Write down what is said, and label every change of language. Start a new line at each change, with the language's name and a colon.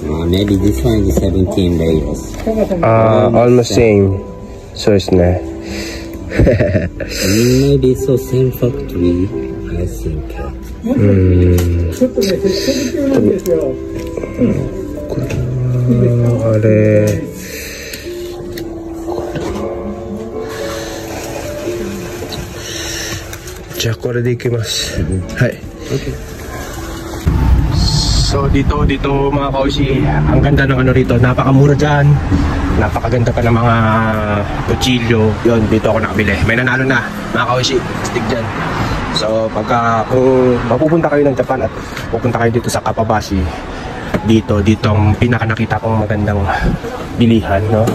English: Maybe this one is 17 layers. Almost same. So it's not. Maybe it's the same factory, I think.
Japanese: これじゃあこれでいきます。はい。
Filipino: So dito mga kausi, ang ganda ng ano rito, napakamura dyan. Napakaganda pa ng mga kutsilyo. Yun, dito ako nakabili. May nanalo na, mga kausi. Stick dyan. So pagka kung mapupunta kayo ng Japan at pupunta kayo dito sa Kapabashi, dito ang pinakanakita kong magandang bilihan, no?